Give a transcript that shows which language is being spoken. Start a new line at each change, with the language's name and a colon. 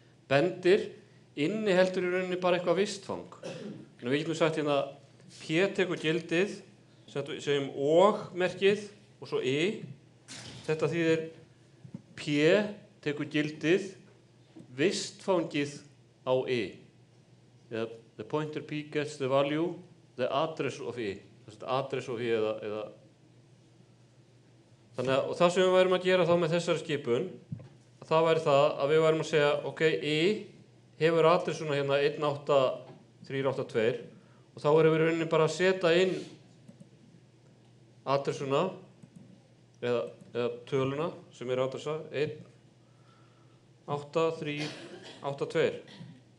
Icelandic: Bendir inni heldur í rauninni bara eitthvað vistfang. En við getum sagt hérna p tekur gildið, segjum og merkið og svo i, þetta þýðir p tekur gildið vistfangið á i.
English: The pointer P gets the value, the address of I. Address of I
Icelandic: eða, eða. Þannig að það sem við værum að gera þá með þessari skipun, það væri það að við værum að segja, ok, I hefur adressuna hérna 18382 og þá erum við rauninni bara að setja inn adressuna eða, eða töluna sem adressa 18382.